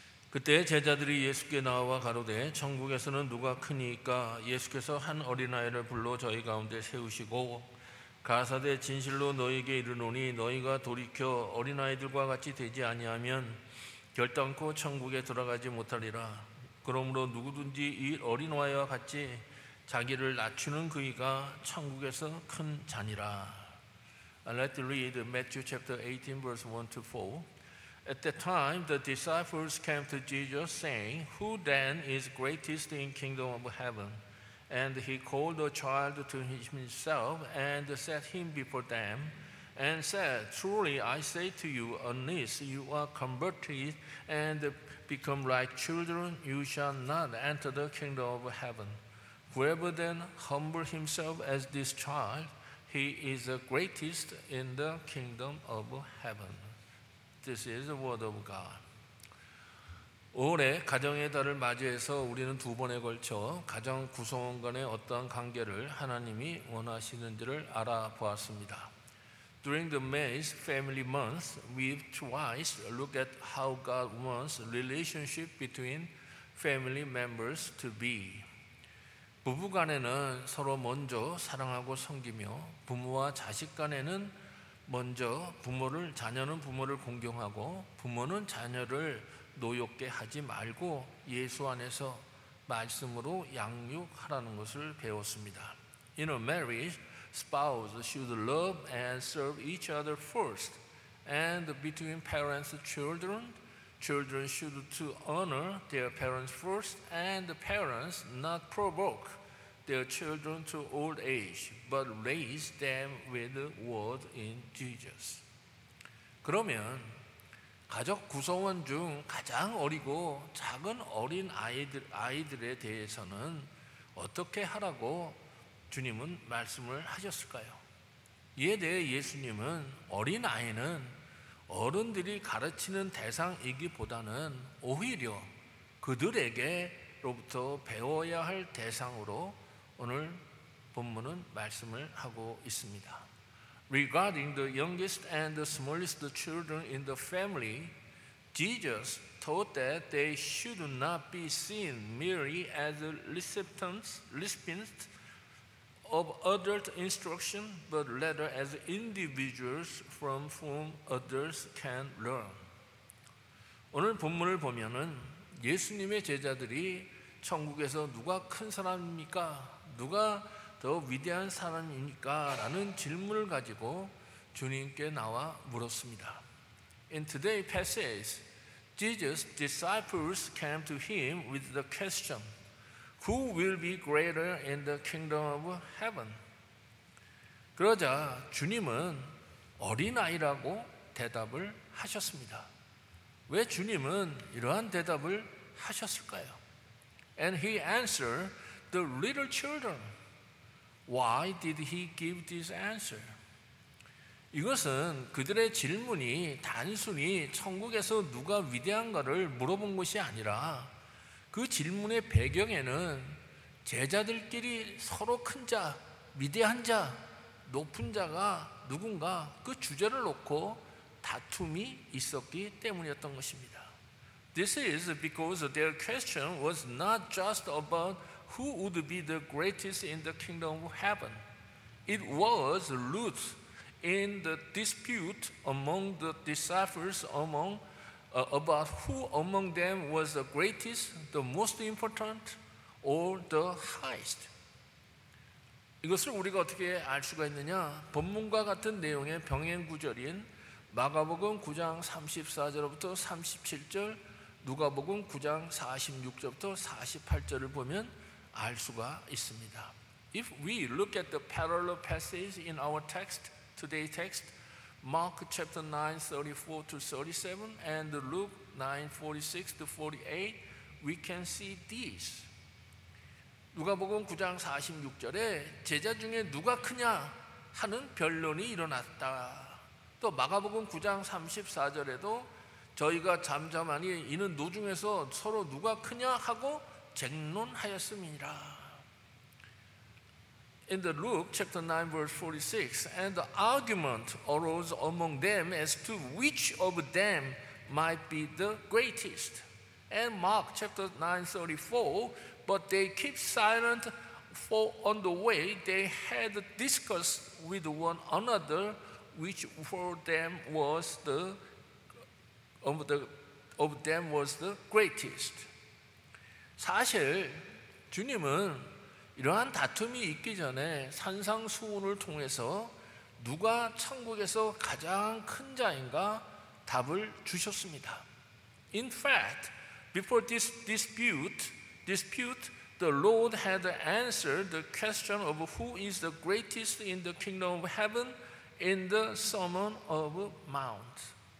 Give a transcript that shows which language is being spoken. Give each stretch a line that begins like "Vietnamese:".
Korean: 그때 제자들이 예수께 나와 가로되 천국에서는 누가 크니까 예수께서 한 어린아이를 불러 저희 가운데 세우시고 가사대 진실로 너희에게 이르노니 너희가 돌이켜 어린아이들과 같이 되지 아니하면 결단코 천국에 들어가지 못하리라. 그러므로 누구든지 이 어린아이와 같이 자기를 낮추는 그이가 천국에서 큰 자니라.
English: Let's read Matthew chapter 18 verse 1 to 4. At that time, the disciples came to Jesus, saying, Who then is greatest in the kingdom of heaven? And he called a child to himself and set him before them and said, Truly I say to you, unless you are converted and become like children, you shall not enter the kingdom of heaven. Whoever then humbles himself as this child, he is the greatest in the kingdom of heaven. This is the word of God.
Korean: 올해 가정의 달을 맞이해서 우리는 두 번에 걸쳐 가정 구성원 간의 어떠한 관계를 하나님이 원하시는지를 알아보았습니다.
English: During the May's Family Month, we've twice looked at how God wants relationship between family members to be.
Korean: 부부 간에는 서로 먼저 사랑하고 섬기며 부모와 자식 간에는 먼저 부모를 자녀는 부모를 공경하고 부모는 자녀를 노엽게 하지 말고 예수 안에서 말씀으로 양육하라는 것을 배웠습니다.
English: In a marriage, spouses should love and serve each other first. And between parents and children, children should to honor their parents first and the parents not provoke their children to old age, but raise them with the word in Jesus.
Korean: 그러면 가족 구성원 중 가장 어리고 작은 어린 아이들에 대해서는 어떻게 하라고 주님은 말씀을 하셨을까요? 이에 대해 예수님은 어린 아이는 어른들이 가르치는 대상이기보다는 오히려 그들에게로부터 배워야 할 대상으로 오늘 본문은 말씀을 하고 있습니다.
English: Regarding the youngest and the smallest children in the family, Jesus taught that they should not be seen merely as recipients of adult instruction, but rather as individuals from whom others can learn.
Korean: 오늘 본문을 보면은 예수님의 제자들이 천국에서 누가 큰 사람입니까? 누가 더 위대한 사람입니까? 라는 질문을 가지고 주님께 나와 물었습니다.
English: In today's passage, Jesus' disciples came to him with the question, Who will be greater in the kingdom of heaven?
Korean: 그러자 주님은 어린아이라고 대답을 하셨습니다. 왜 주님은 이러한 대답을 하셨을까요?
English: And he answered, The little children. Why did he give this answer?
Korean: 이것은 그들의 질문이 단순히 천국에서 누가 위대한가를 물어본 것이 아니라 그 질문의 배경에는 제자들끼리 서로 큰 자, 위대한 자, 높은 자가 누군가 그 주제를 놓고 다툼이 있었기 때문이었던 것입니다.
English: This is because their question was not just about Who would be the greatest in the kingdom of heaven? It was rooted in the dispute among the disciples about who among them was the greatest, the most important, or the highest.
Korean: 이것을 우리가 어떻게 알 수가 있느냐? 본문과 같은 내용의 병행 구절인 마가복음 9장 34절부터 37절, 누가복음 9장 46절부터 48절을 보면 알 수가 있습니다.
English: If we look at the parallel passage in our text, today's text, Mark chapter 9, 34 to 37, and Luke 9, 46 to 48, we can see this.
Korean: 누가복음 9장 46절에 제자 중에 누가 크냐 하는 변론이 일어났다. 또 마가복음 9장 34절에도 저희가 잠잠하니 이는 노중에서 서로 누가 크냐 하고 쟁론하였음이라.
English: In the Luke chapter 9 verse 46, and the argument arose among them as to which of them might be the greatest. And Mark chapter 9 34, but they kept silent, for on the way they had discussed with one another which for them was the greatest.
Korean: 사실 주님은 이러한 다툼이 있기 전에 산상수훈을 통해서 누가 천국에서 가장 큰 자인가 답을 주셨습니다.
English: In fact, before this dispute, the Lord had answered the question of who is the greatest in the kingdom of heaven in the Sermon of Mount.